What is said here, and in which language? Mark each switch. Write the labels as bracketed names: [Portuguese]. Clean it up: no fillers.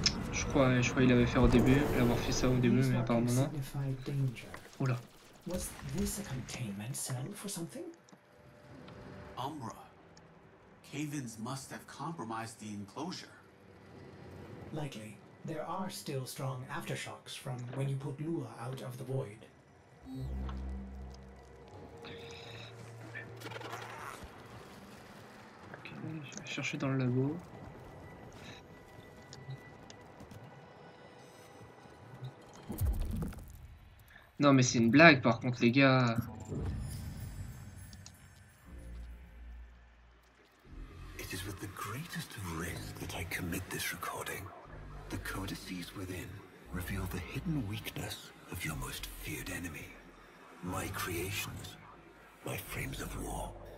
[French] Je crois qu'il avait fait au début, l'avoir fait ça au début, mais apparemment non. Oula. [English] Was this a containment cell for something? Umbra. Cavens must have compromised the enclosure. Likely. There are still strong aftershocks from when you put Lua out of the void. [French] Ok, je vais chercher dans le labo. Non mais c'est une blague par contre les gars. [English] It is with the greatest of risk that I commit this recording. The codices within reveal the hidden weakness of your most feared enemy. My creations. My frames of war.